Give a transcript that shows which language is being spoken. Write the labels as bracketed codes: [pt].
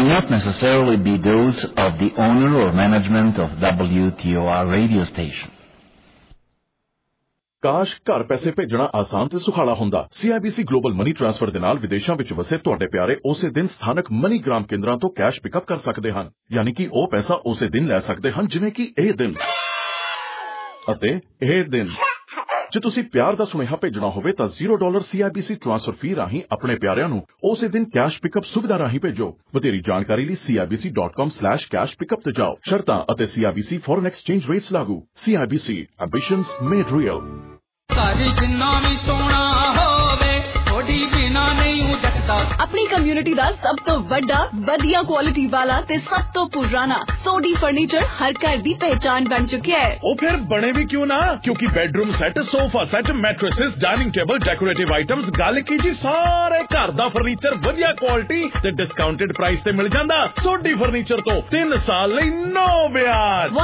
[en] Necessarily be those of the owner or management of WTOR radio station. [pa] ਕਾਸ਼ ਘਰ ਪੈਸੇ ਭੇਜਣਾ ਆਸਾਨ ਤੇ ਸੁਖਾਲਾ ਹੁੰਦਾ। CIBC ਗਲੋਬਲ ਮਨੀ ਟ੍ਰਾਂਸਫਰ ਦੇ ਨਾਲ ਵਿਦੇਸ਼ਾਂ ਵਿੱਚ ਵਸੇ ਤੁਹਾਡੇ ਪਿਆਰੇ ਉਸੇ ਦਿਨ ਸਥਾਨਕ ਮਨੀ ਗ੍ਰਾਮ ਕੇਂਦਰਾਂ ਤੋਂ ਕੈਸ਼ ਪਿਕਅਪ ਕਰ ਸਕਦੇ ਹਨ, ਯਾਨੀ ਕਿ ਉਹ ਪੈਸਾ ਉਸੇ ਦਿਨ ਲੈ ਸਕਦੇ ਹਨ ਜਿਵੇਂ ਕਿ ਇਹ ਦਿਨ ਅਤੇ ਇਹ ਦਿਨ। ਜੇ ਤੁਸੀਂ ਪਿਆਰ ਦਾ ਸੁਨੇਹਾ ਭੇਜਣਾ ਹੋਵੇ ਤਾਂ $0 CIBC ਟ੍ਰਾਂਸਫਰ ਫੀ ਰਾਹੀਂ ਆਪਣੇ ਪਿਆਰਿਆਂ ਨੂੰ ਉਸੇ ਦਿਨ ਕੈਸ਼ ਪਿਕਅਪ ਸੁਵਿਧਾ ਰਾਹੀਂ ਭੇਜੋ। ਵਧੇਰੀ ਜਾਣਕਾਰੀ ਲਈ CIBC.com/cash ਪਿਕਅਪ ਤੇ ਜਾਓ। ਸ਼ਰਤਾਂ ਅਤੇ CIBC ਫੋਰਨ ਐਕਸਚੇਂਜ ਰੇਟਸ ਲਾਗੂ। [en] CIBC ambitions made real. [pa] ਆਪਣੀ ਕਮਿਊਨਿਟੀ ਦਾ ਸਭ ਤੋਂ ਵੱਡਾ, ਵਧੀਆ ਕੁਆਲਿਟੀ ਵਾਲਾ ਤੇ ਸਭ ਤੋਂ ਪੁਰਾਣਾ ਸੋਢੀ ਫਰਨੀਚਰ ਹਰ ਘਰ ਦੀ ਪਹਿਚਾਣ ਬਣ ਚੁੱਕਿਆ ਹੈ। ਉਹ ਫਿਰ ਬਣੇ ਵੀ ਕਿਉਂ ਨਾ, ਕਿਉਂਕਿ bedroom set, sofa set, ਮੈਟ੍ਰੇਸਿਸ, dining table, decorative items, ਗੱਲ ਕੀ ਜੀ, ਸਾਰੇ ਘਰ ਦਾ ਫਰਨੀਚਰ ਵਧੀਆ ਕੁਆਲਿਟੀ ਤੇ ਡਿਸਕਾਊਂਟਡ ਪ੍ਰਾਈਸ ਤੇ ਮਿਲ ਜਾਂਦਾ ਸੋਢੀ ਫਰਨੀਚਰ ਤੋਂ 3 ਸਾਲ ਲਈ 9 ਵਿਆਜ।